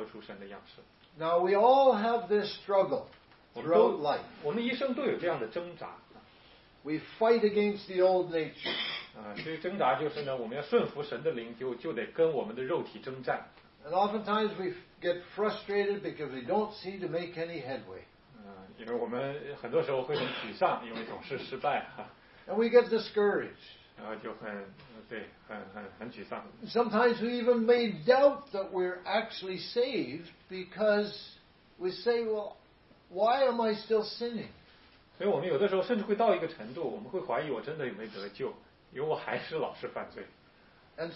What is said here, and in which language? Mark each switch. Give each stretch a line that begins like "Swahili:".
Chinese: 所以当我们每时每刻把自己的主权交给里面的圣灵的时候呢，我们就在走这时间里不断成圣的路，越来越活出神的样式。
English: Now we all have this struggle throughout life.
Chinese: 我们一生都有这样的挣扎。
English: We fight against the old nature.
Chinese: 所以挣扎就是呢，我们要顺服神的灵，就得跟我们的肉体征战。
English: And oftentimes we get frustrated because we don't seem to make any headway.
Chinese: 因为我们很多时候会很沮丧，因为总是失败。
English: And we get discouraged.
Chinese: 然后就很沮丧。
English: Sometimes we even may doubt that we're actually saved because we say, well, why am I still sinning?
Chinese: 所以我们有的时候甚至会到一个程度，我们会怀疑我真的有没得救，因为我还是老是犯罪。
English: And